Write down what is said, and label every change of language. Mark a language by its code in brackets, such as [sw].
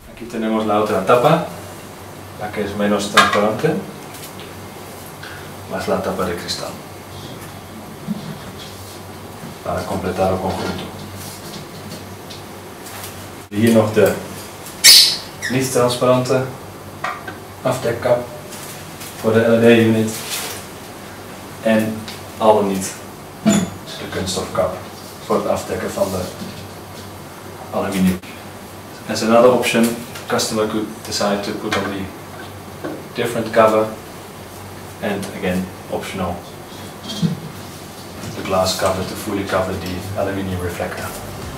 [es] Tenemos la otra tapa, la que es menos transparente, más la tapa de cristal, para completar el conjunto. [nl] Hier nog de niet transparante afdekkap voor de LED-unit en al dan niet de kunststofkap voor het afdekken van de aluminium. En een andere optie. [en] Customer could decide to put on the different cover and again optional the glass cover to fully cover the aluminium reflector.